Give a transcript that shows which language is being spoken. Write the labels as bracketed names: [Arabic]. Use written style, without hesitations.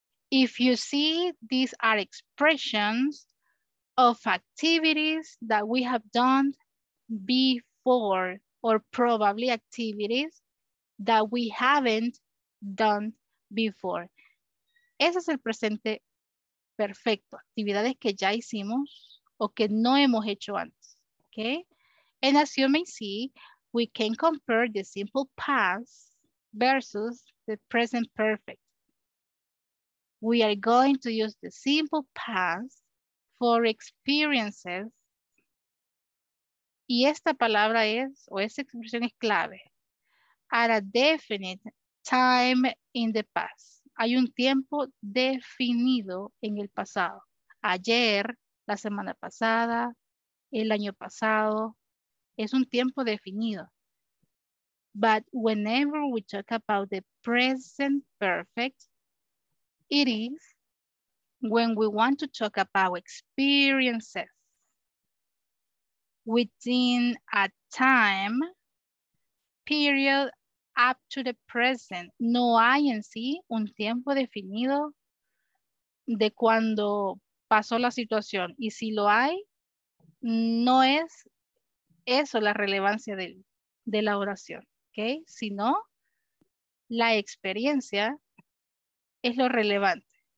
[English] If you see, these are expressions of activities that we have done before, or probably activities that we haven't done before. [Spanish] Ese es el presente perfecto. Actividades que ya hicimos o que no hemos hecho antes. [English] Okay? And as you may see, we can compare the simple past versus the present perfect. We are going to use the simple past for experiences. [Spanish] Y esta palabra es, o esta expresión es clave. [English] At a definite time in the past. [Spanish] Hay un tiempo definido en el pasado. Ayer, la semana pasada, el año pasado. Es un tiempo definido. [English] But whenever we talk about the present perfect, it is when we want to talk about experiences within a time period up to the present. [Spanish] No hay en sí un tiempo definido de cuando pasó la situación. Y si lo hay, no es eso la relevancia de la oración, ¿okay? Sino la experiencia es lo relevante.